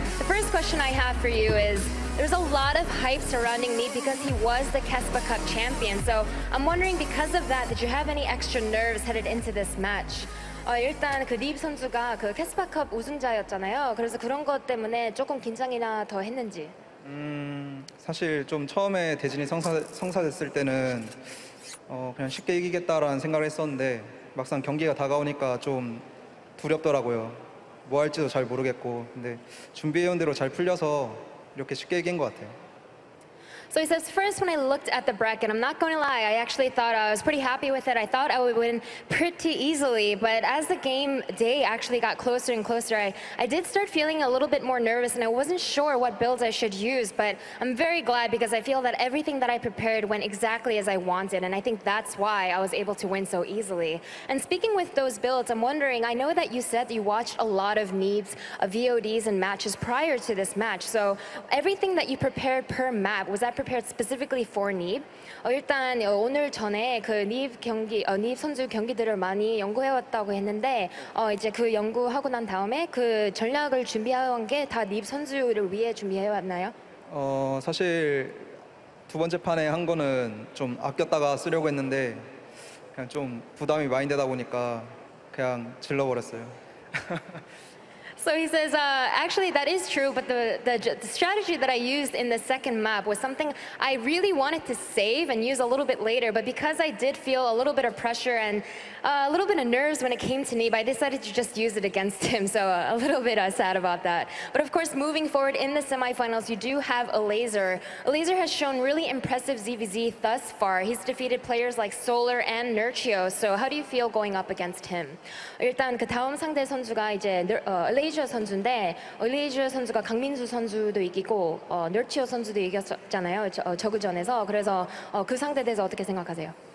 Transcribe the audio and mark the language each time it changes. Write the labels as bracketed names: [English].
[English] The first question I have for you is, there's a lot of hype surrounding me because he was the Kespa Cup champion. So I'm wondering, because of that, did you have any extra nerves headed into this match? [Korean] 일단 그 립 선수가 그 Kespa Cup 우승자였잖아요. 그래서 그런 것 때문에 조금 긴장이나 더 했는지? 사실 좀 처음에 대진이 성사됐을 때는 그냥 쉽게 이기겠다라는 생각을 했었는데 막상 경기가 다가오니까 좀 두렵더라고요. 뭐 할지도 잘 모르겠고 근데 준비해온 대로 잘 풀려서 이렇게 쉽게 이긴 것 같아요. [English] So he says, first when I looked at the bracket, I'm not going to lie, I actually thought I was pretty happy with it. I thought I would win pretty easily. But as the game day actually got closer and closer, I did start feeling a little bit more nervous and I wasn't sure what build I should use. But I'm very glad because I feel that everything that I prepared went exactly as I wanted. And I think that's why I was able to win so easily. And speaking with those builds, I'm wondering, I know that you said you watched a lot of NiP's VODs and matches prior to this match. So everything that you prepared per map, was that prepared specifically for NiP? [Korean] 일단 오늘 전에 그 NiP 경기 NiP 선수 경기들을 많이 연구해 왔다고 했는데 이제 그 연구하고 난 다음에 그 전략을 준비한 게 다 NiP 선수를 위해 준비해 왔나요? 사실 두 번째 판에 한 거는 좀 아꼈다가 쓰려고 했는데 그냥 좀 부담이 많이 되다 보니까 그냥 질러 버렸어요. [English] So he says, actually that is true, but the strategy that I used in the second map was something I really wanted to save and use a little bit later, but because I did feel a little bit of pressure and a little bit of nerves when it came to NiP, I decided to just use it against him, so a little bit sad about that. But of course, moving forward in the semifinals, you do have Elazer. Elazer has shown really impressive ZVZ thus far. He's defeated players like Solar and Nurchio, so how do you feel going up against him? [Korean] 일단 그 다음 상대 선수가 이제 올리지어 선수인데 올리지어 선수가 강민수 선수도 이기고 널티어 선수도 이겼잖아요. 저그전에서 그래서 그 상대에 대해서 어떻게 생각하세요?